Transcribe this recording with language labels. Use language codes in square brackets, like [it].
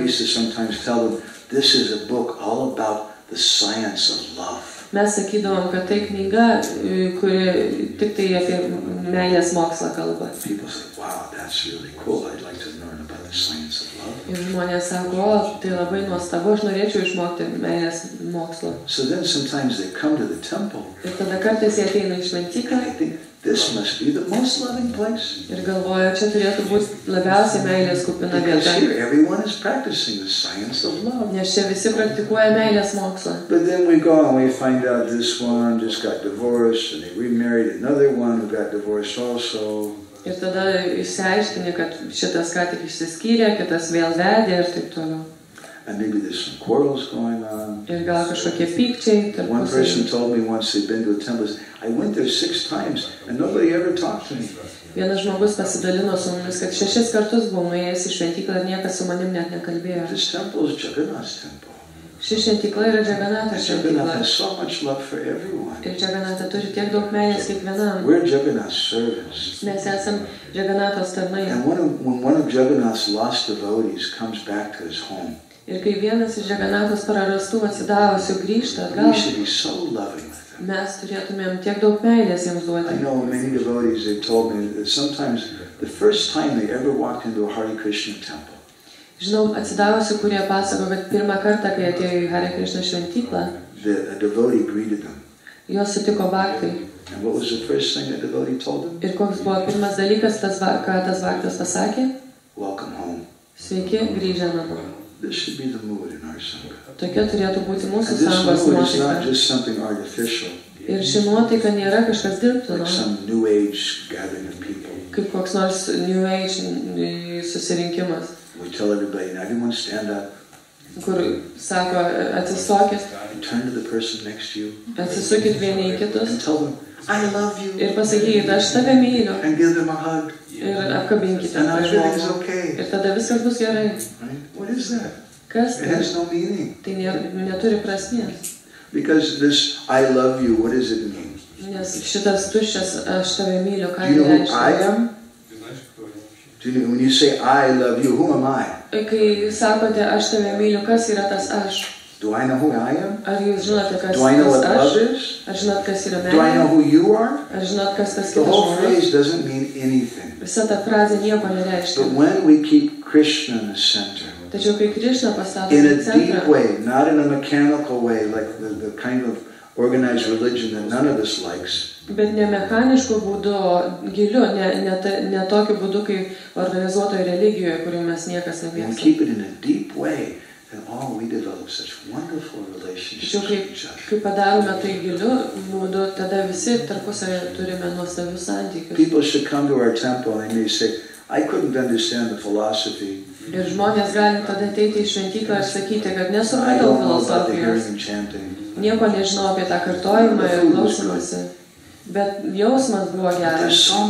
[en] We used to sometimes tell them, this is a book all about the science of love. [lt] Mes sakydavom, kad tai knyga, kuri tik tai apie meilės mokslą kalba. [en] People say, wow, that's really cool. I'd like to learn about the science of love. [lt] Ir žmonės sako, o, tai labai nuostabu, aš norėčiau išmokti meilės mokslą. [en] So then sometimes they come to the temple. [lt] Ir tada kartais jie ateina į šventyklą. [en] This must be the most loving place. [lt] Ir galvoja, čia turėtų būti labiausiai meilės kupina vieta. [en] Because here everyone is practicing the science of love. [lt] Nes čia visi praktikuoja meilės mokslą. [en] But then we go and we find out this one just got divorced and they remarried another one who got divorced also. [lt] Ir tada išsiaiškini, kad šitas ką tik išsiskyrė, kitas vėl vedė ir taip toliau. [en] And maybe there's some quarrels going on. [lt] Ir gal kažkokie pykčiai. [en] One person told me once they'd been to a temple. I went there 6 times and nobody ever talked to me. [lt] Vienas žmogus pasidalino su mumis, kad 6 kartus buvo nuėjęs į šventyklą ir niekas su manim net nekalbėjo. [en] This temple is Jagannath's temple. [lt] Ši šventykla yra Jagannatha šventykla. [en] And Jagannath has so much love for everyone. [lt] Ir Jagannatha turi tiek daug meilės kiekvienam. [en] We're Jagannath's servants. [lt] Mes esam Jagannatha's tarnai. [en] And when one of Jagannath's lost devotees comes back to his home, [lt] ir kai vienas iš Jagannatha's prarastų atsidavusių grįžta atgal, [en] we should be so loving. [lt] Mes turėtumėm tiek daug meilės jiems duoti. [en] I know many devotees have told me that sometimes the first time they ever walked into a Hare Krishna temple. [lt] Žinau, atsidavusių, kurie pasako, kad pirmą kartą, kai atėjo į Hare Krishna šventyklą, [en] a devotee greeted them. [lt] Juos sutiko bhakti. [en] And what was the first thing that devotee told them? [lt] Ir koks buvo pirmas dalykas, ką tas bhaktas pasakė? [en] Welcome home. [lt] Sveiki, grįžę namo. [en] This should be the mood in our sangha. [lt] Tokia turėtų būti mūsų sangos nuotaika. Ir ši nuotaika nėra kažkas dirbtino. [en] Some new age gathering of people. [lt] Kaip koks nors new age susirinkimas. [en] We tell everybody, everyone stand up. [lt] Kur sako, atsistokit. [en] Turn to the person next to you. [lt] Atsisukit vieni į kitus. [en] And tell them, I love you. [lt] Ir pasakykit, aš tave myliu. [en] And give them a hug. [lt] Ir apkabinkite. [en] And everything's okay. [lt] Ir tada viskas bus gerai. [en] What is that? It has no meaning. [lt] Tai neturi prasmės. [en] Because this I love you, what does it mean? [lt] Nes šitas tuščias aš tave myliu, ką reiškia? [en] Do you know who I am? When you say I love you, who am I? [lt] Kai sakote aš tave myliu, kas yra tas aš? [en] Do I know who I am? [lt] Ar jūs žinote kas aš? [en] Do I know what love is? [lt] Ar žinot kas yra meilė? [en] Do I know who you are? [lt] Ar žinot kas tas kitas žmogus? [en] The whole phrase doesn't mean anything. [lt] Visa ta frazė nieko nereiškia. [en] But when we keep Krishna in the center. [lt] Tačiau kai Krishna pastato [en] in a deep way, not in a mechanical way, like the kind of organized religion that none of us likes. [lt] Bet ne mechanišku būdu, giliu, ne tokiu būdu kaip organizuotoje religijoje, kurioje mes niekas nemėgsta. [en] We keep it in a deep way, then all we develop such wonderful relationships. [lt] Kai padarome tai giliu būdu, tada visi tarpusavyje turime nuostabius santykius. [en] People should come to our temple and they say, I couldn't understand the philosophy. [lt] Ir žmonės gali tada ateiti į šventyklą ir sakyti, kad nesupratau filosofijos. Nieko nežinau apie tą kartojimą ir klausymąsi. Bet jausmas buvo geras.